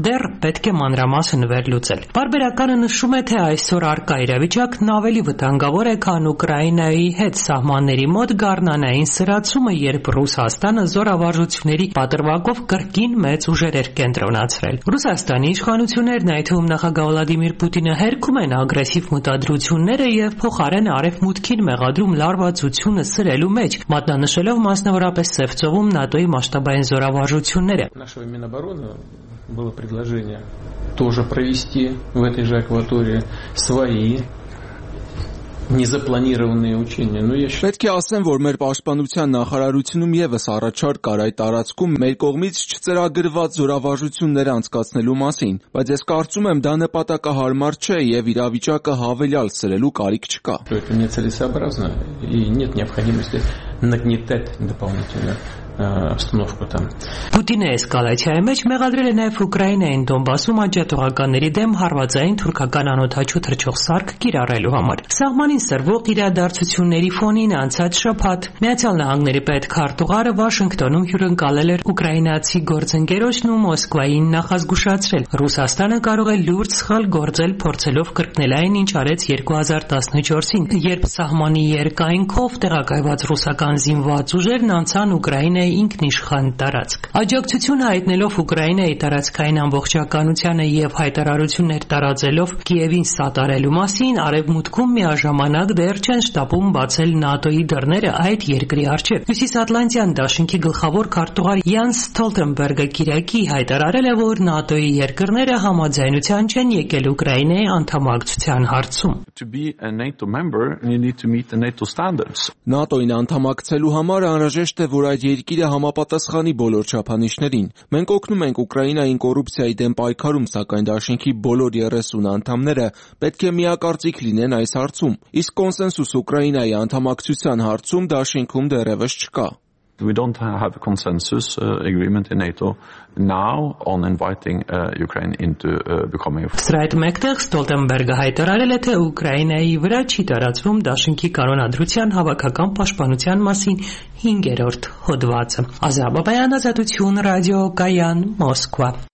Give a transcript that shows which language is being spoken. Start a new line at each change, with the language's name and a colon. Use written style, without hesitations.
Armenian: դեռ պետք է մանրամասն վերլուծել։ Պարբերականը նշում է, թե այսօր առկա իրավիճակն ավելի վտանգավոր է, քան Ուկրաինայի հետ սահմանների մոտ գարնանային սրացումը, երբ Ռուսաստանը զորավարժությունների պատրվակով կրկին մեծ ուժեր էր կենտրոնացրել։ Ռուսաստանի իշխանություններն, այդ թվում նախագահ Վլադիմիր Պուտինը, հերքում են ագրեսիվ մտադրությունները և փոխարեն արևմուտքին մեղադրում լարվածությունը սրելու մեջ, մատնանշելով մասնավորապես Սևծովում ՆԱՏՕ-ի մասշտաբային զորավարժությունները։
Russian: Նաշովի մինաբարոնը было предложение тоже провести в этой же акватории свои незапланированные учения. Но я считаю,
Armenian: պետք է ասեմ, որ մեր պաշտպանության նախարարությունում եւս առաջարկ կար այդ տարածքում մեր կողմից չծրագրված զորավարժություններ անցկացնելու մասին, բայց ես կարծում եմ, դա նպատակահարմար չէ եւ իրավիճակը հավելյալ սրելու կարիք չկա։
Russian: Это не целесообразно и нет необходимости нагнетать дополнительно обстановку там.
Armenian: Պուտինը էսկալացիայի մեջ մեղադրել է նաև Ուկրաինային Դոնբասում աջատողականների դեմ հարվածային թուրքական անօթաչու թռչող սարք կիրառելու համար։ Սահմանին սրվող իրադարձությունների ֆոնին անցած շփոթ Միացյալ Նահանգների պետքարտուղարը Վաշինգտոնում հյուրընկալել էր ուկրաինացի գործընկերոջն ու Մոսկվային նախազգուշացրել. Ռուսաստանը կարող է լուրջ սխալ գործել, փորձելով կրկնել այն, ինչ արեց 2014-ին, երբ սահմանի երկայնքով տեղակայված ռուսական զինված ուժերն անցան Ուկրաինայի Ուկրաինայի ինքնիշխան տարածք։ Աջակցությունը հայտնելով Ուկրաինայի տարածքային ամբողջականությանը եւ հայտարարություններ տարածելով Կիևին սատարելու մասին, Արևմուտքում միաժամանակ դեռ չեն շտապում բացել ՆԱՏՕ-ի դռները այդ երկրի առջև։ Հյուսիսատլանտյան Դաշնքի գլխավոր քարտուղար Յանս Ստոլտենբերգը Կիրակի հայտարարել է, որ ՆԱՏՕ-ի երկրները համաձայնության չեն եկել Ուկրաինայի անդամակցության հարցում։
English: To be a NATO member, you need to meet the NATO standards.
Armenian: ՆԱՏՕ-ին անդամակցելու համար անհրաժեշտ է, որ այդ երկիրը համապատասխանի բոլոր չափանիշներին։ Մենք օգնում ենք Ուկրաինային կոռուպցիայի դեմ պայքարում, սակայն Դաշնքի բոլոր 30 անդամները պետք է միակարծիք լինեն այս հարցում։ Իսկ կոնսենսուս Ուկրաինայի անդամակցության հարցում Դաշնքում դեռևս չկա։
English: We don't have a consensus agreement in NATO now on inviting Ukraine into becoming a
Armenian: Strait Mektex Stoltenberg-ը հայտարարել է, թե Ուկրաինայի վրա չի տարածվում Դաշնքի կանոնադրության հավաքական պաշտպանության մասին 5-րդ հոդվածը։ Ազաբաբայան, Ազատություն ռադիո, Կայան, Մոսկվա։